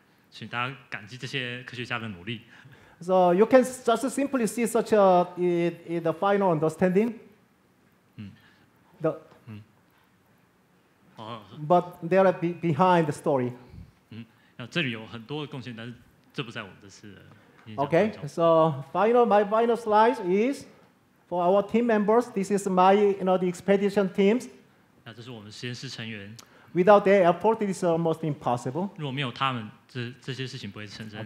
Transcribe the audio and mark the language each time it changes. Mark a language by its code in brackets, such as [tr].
[zh] 请大家感激这些科学家的努力。 [en] So you can just simply see such a in the final understanding. But there are behind the story. [zh] 这里有很多的贡献，但是这不在我们的事。 [en] Okay, so my final slide is for our team members. This is my, you know, the expedition teams. [zh] 这是我们实验室成员。 [en] Without their effort, it is almost impossible. [zh] 如果没有他们，这些事情不会成真。